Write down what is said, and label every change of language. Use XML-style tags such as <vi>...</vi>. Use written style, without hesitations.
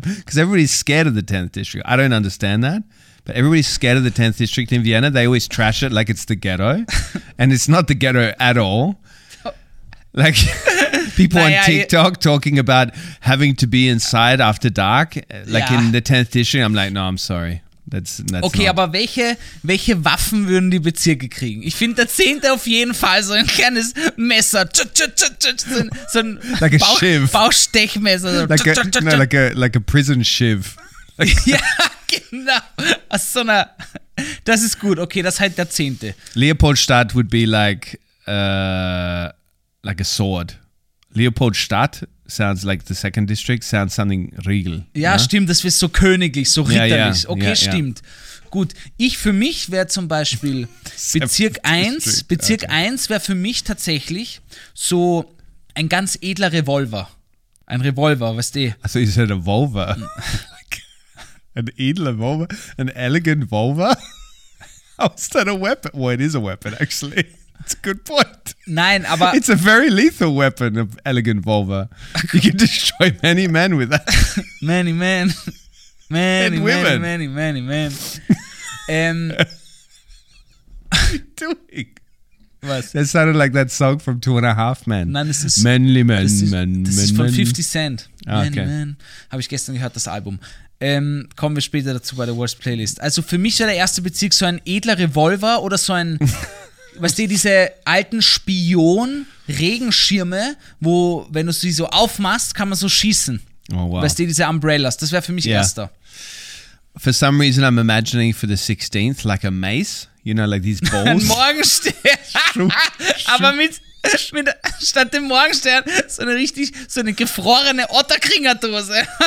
<en>Because everybody's scared of the 10th district. I don't understand that. But everybody's scared of the 10th district in Vienna. They always trash it like it's the ghetto. And it's not the ghetto at all. Like people on TikTok talking about having to be inside after dark. Like in the 10th district. I'm like, no, I'm sorry. That's</en> <de>okay, aber welche Waffen würden die Bezirke kriegen? Ich finde der 10. auf jeden Fall so ein kleines Messer. So ein</de> <en>like a shiv.</en> <de>Baustechmesser.</de> <en>Like a prison shiv.</en> <de>Ja, genau. Aus so einer, das ist gut. Okay, das ist halt der 10.</de> <en>Leopoldstadt would be like a sword. Leopoldstadt sounds like the second district, sounds something regal.</en> <de>Ja, ne? Stimmt, das wird so königlich, so ritterlich. Ja, ja. Okay, ja, stimmt. Ja. Gut, ich für mich wäre zum Beispiel Bezirk 1, Bezirk 1 wäre für mich tatsächlich so ein ganz edler Revolver. Ein Revolver, weißt du? Also ist ein Revolver? Ein edler Revolver? Ein elegant Revolver?</de> <en>How is that a weapon? Well, it is a weapon, actually. It's a good point.</en> <de>Nein, aber...</de> <en>It's a very lethal weapon, an elegant Volvo. You can destroy many men with that. Many men. Many, women. Many, many, many, many men. What are you doing?</en> <de>Was?</de> <en>That sounded like that song from Two and a Half Men.</en> <de>Nein, es ist... Manly Men. Das ist von 50 Cent. Okay. Habe ich gestern gehört, das Album. Kommen wir später dazu bei der Worst Playlist. Also für mich war der erste Bezirk so ein edler Revolver oder so ein... Weißt du, diese alten Spion-Regenschirme, wo, wenn du sie so aufmachst, kann man so schießen. Oh, wow. Weißt du, diese Umbrellas, das wäre für mich erster.</de> <en>For some reason, I'm imagining for the 16th, like a mace, you know, like these balls.</en> <de>Ein Morgenstern. Aber mit statt dem Morgenstern so eine richtig, so eine gefrorene Otterkringerdose.</de>